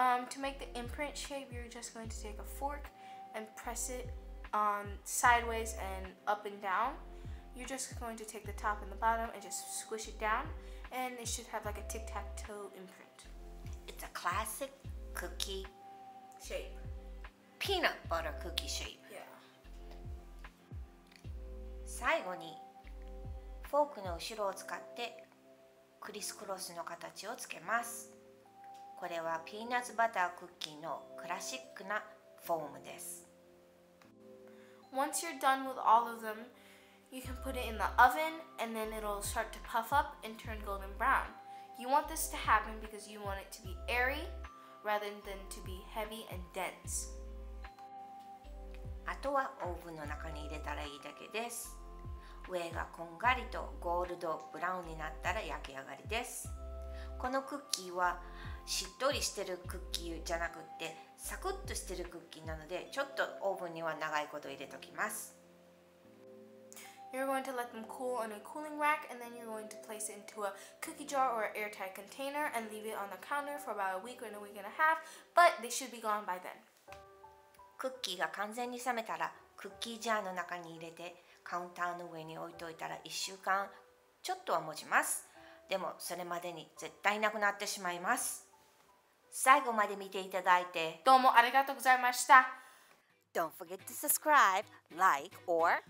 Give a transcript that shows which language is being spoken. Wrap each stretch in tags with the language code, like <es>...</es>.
<en>To make the imprint shape, you're just going to take a fork and press it sideways and up and down. You're just going to take the top and the bottom and just squish it down, and it should have like a tic-tac-toe imprint. It's a classic cookie shape. Peanut butter cookie shape. Yeah.</en> <ja>最後にフォークの後ろを使ってクリスクロスの形をつけます。これはピーナッツバタークッキーのクラシックなフォームです。</ja> <en>Once you're done with all of them, you can put it in the oven and then it'll start to puff up and turn golden brown. You want this to happen because you want it to be airy rather than to be heavy and dense.</en> <ja>あとはオーブンの中に入れたらいいだけです。上がこんがりとゴールドブラウンになったら焼き上がりです。このクッキーはしっとりしてるクッキーじゃなくってサクッとしてるクッキーなので、ちょっとオーブンには長いこと入れときます。</ja> <en>You're going to let them cool on a cooling rack and then you're going to place it into a cookie jar or an airtight container and leave it on the counter for about a week or a week and a half, but they should be gone by then.</en> <ja>クッキーが完全に冷めたら、クッキージャーの中に入れてカウンターの上に置いといたら1週間ちょっとは持ちます。でもそれまでに絶対なくなってしまいます。最後まで見ていただいてどうもありがとうございました。</ja> <en>Don't forget to subscribe, like, or</en>